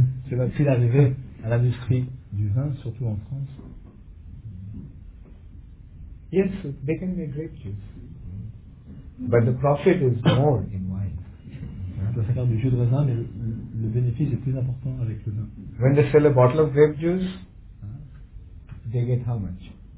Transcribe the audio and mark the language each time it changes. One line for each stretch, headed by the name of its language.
French: Que va-t-il arriver à l'industrie du vin, surtout en France?
English: Yes, they can make grape juice, but the profit is more in wine.
French: Ça va faire du jus de raisin, mais le bénéfice est plus important avec le vin.
English: When they sell a bottle of grape juice, they get how much?